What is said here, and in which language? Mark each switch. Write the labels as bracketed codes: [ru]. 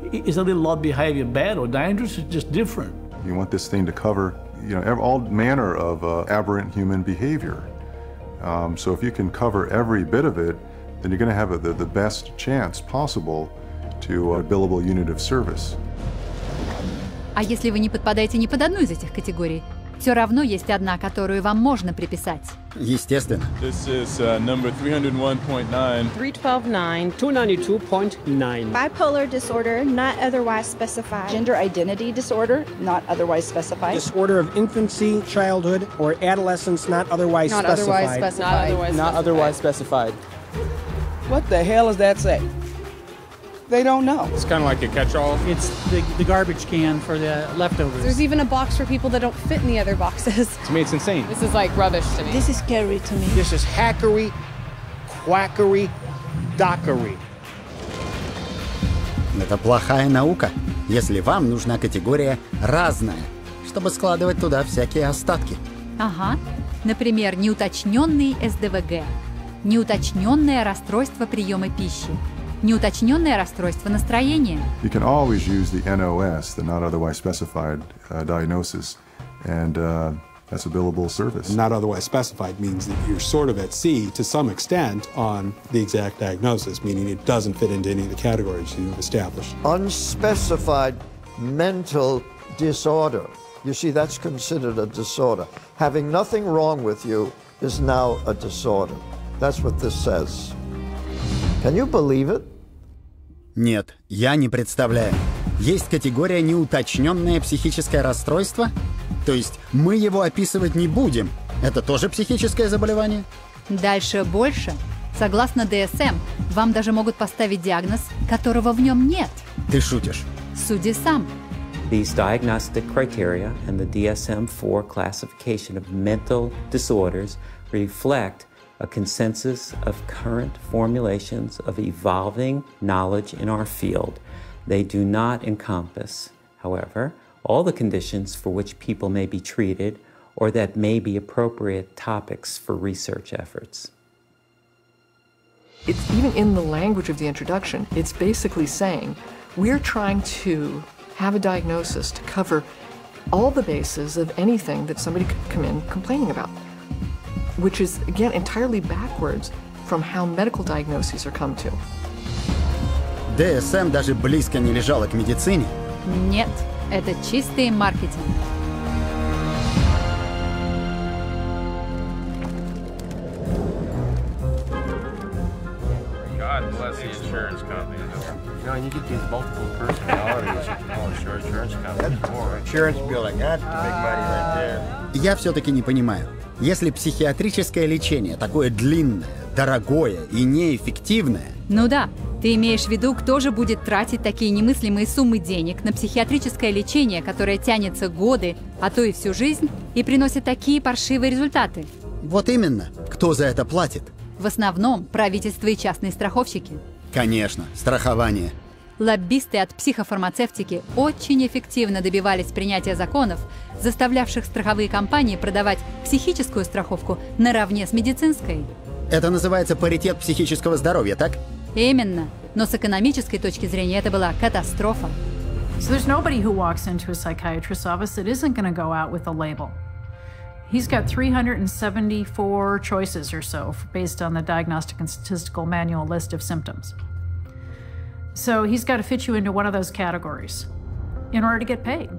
[en] Is a little odd behavior bad or dangerous? It's just different. You want this thing to cover, you know, all manner of aberrant human behavior. So if you can cover every bit of it, then you're going to have the best chance possible to a billable unit of service. [ru] А если вы не подпадаете ни под одну из этих категорий, все равно есть одна, которую вам можно приписать. Естественно. [en] This is number 301.9. 312.9. 292.9. Bipolar disorder, not otherwise specified. Gender identity disorder, not otherwise specified. Disorder of infancy, childhood, or adolescence, not otherwise specified. Not otherwise specified. Not otherwise specified. What the hell does that say? They don't know. It's kind of like a catch-all. It's the garbage can for the leftovers. There's even a box for people that don't fit in the other boxes. To me, it's insane. This is like rubbish to me. This is scary to me. This is hackery, quackery, dockery. [ru] Это плохая наука, если вам нужна категория разная, чтобы складывать туда всякие остатки. Ага. Например, неуточненный СДВГ. Неуточненное расстройство приема пищи. Неуточненное расстройство настроения. [en] You can always use the NOS, the not otherwise specified diagnosis, and that's a billable service. Not otherwise specified means that you're sort of at sea to some extent on the exact diagnosis, meaning it doesn't fit into any of the categories you've established. Unspecified mental disorder. You see, that's considered a disorder. Having nothing wrong with you is now a disorder. That's what this says. Can you believe it? [ru] Нет, я не представляю. Есть категория «неуточненное психическое расстройство»? То есть мы его описывать не будем. Это тоже психическое заболевание? Дальше больше. Согласно DSM, вам даже могут поставить диагноз, которого в нем нет. Ты шутишь? Суди сам. [en] These diagnostic criteria and the DSM-4 classification of mental disorders reflect a consensus of current formulations of evolving knowledge in our field. They do not encompass, however, all the conditions for which people may be treated or that may be appropriate topics for research efforts. It's even in the language of the introduction, it's basically saying, we're trying to have a diagnosis to cover all the bases of anything that somebody could come in complaining about. Which is, again, entirely backwards from how medical diagnoses are come to. [ru] DSM даже близко не лежала к медицине. Нет, это чистый маркетинг. [en] God bless the insurance company. You know, you get these multiple personalities, you can call it your insurance company. That's more insurance billing, that's the big money right there. [ru] Я все-таки не понимаю. Если психиатрическое лечение такое длинное, дорогое и неэффективное... Ну да, ты имеешь в виду, кто же будет тратить такие немыслимые суммы денег на психиатрическое лечение, которое тянется годы, а то и всю жизнь, и приносит такие паршивые результаты? Вот именно. Кто за это платит? В основном правительство и частные страховщики. Конечно, страхование. Лоббисты от психофармацевтики очень эффективно добивались принятия законов, заставлявших страховые компании продавать психическую страховку наравне с медицинской. Это называется паритет психического здоровья, так? Именно. Но с экономической точки зрения это была катастрофа. [en] So there's nobody who walks into a psychiatrist's office that isn't going to go out with a label. He's got 374 choices or so based on the Diagnostic and Statistical Manual list of symptoms. So he's got to fit you into one of those categories in order to get paid.